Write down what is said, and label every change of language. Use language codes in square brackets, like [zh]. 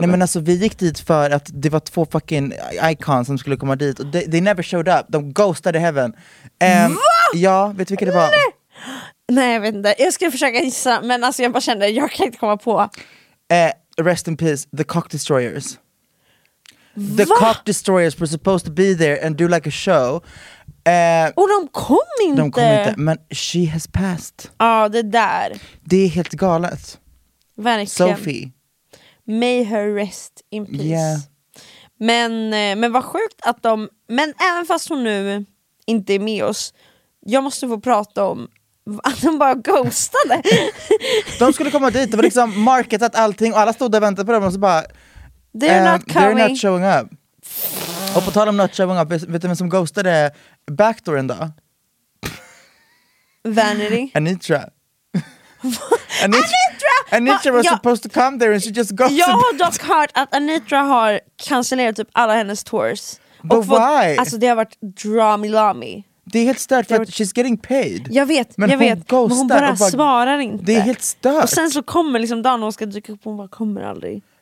[sv] Nej, men alltså, vi gick dit för att det var två [en] fucking icons [sv] som skulle komma dit. Och [en] they never showed up, [sv] de ghostade heaven. Ja, vet du vilka det var? Nej, jag vet inte. Jag skulle försöka gissa, men alltså, jag bara kände, jag kan inte komma på. [en] Rest in peace, the Cock Destroyers. The Cock Destroyers were supposed to be there and do like a show. [sv] Och de kom inte. De kom inte, men [en] she has passed. [sv] Ja, det där. Det är helt galet. Verkligen. Sophie. [en] May her rest in peace. Yeah. [sv] Men vad sjukt att de... Men även fast hon nu inte är med oss, jag måste få prata om att de bara ghostade. De skulle komma dit, det var liksom marketat allting och alla stod där och väntade på dem och så bara... [en] They're not showing up. [sv] Och på tal om [en] not showing up, [sv] vet du vem som ghostade backdooren då? Vanity. Anitra. Anitra! [en] Anitra was supposed to come there and she just ghosted. [sv] Jag har dock hört att Anitra har cancellerat typ alla hennes tours. [en] But [sv] och [en] why? [sv] Alltså det har varit dramilami. Det är helt stört för att [en] she's getting paid. [sv] Jag vet, men jag vet. Men hon bara svarar inte. Det är helt stört. Och sen så kommer liksom dagen och hon ska dyka upp och hon bara kommer aldrig.